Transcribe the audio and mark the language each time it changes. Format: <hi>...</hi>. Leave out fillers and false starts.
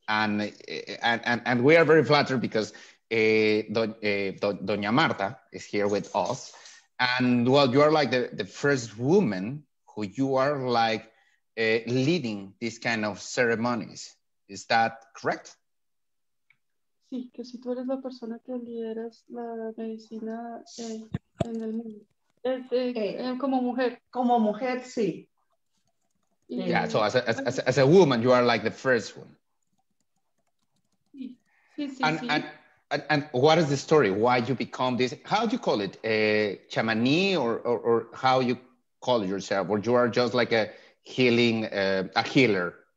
<en>And we are very flattered because Doña Marta is here with us. And well, you are like the first woman who you are like leading these kind of ceremonies. Is that correct?</en> <es>Sí, que si tú eres la persona que lideras la medicina en el mundo. Como mujer. Como mujer, sí.</es> <en>Yeah, so as a woman, you are like the first one.</en> <es>Sí.</es> <en>And what is the story? Why you become this? How do you call it? Chamani or how you call yourself? Or you are just like a healing, a healer?</en>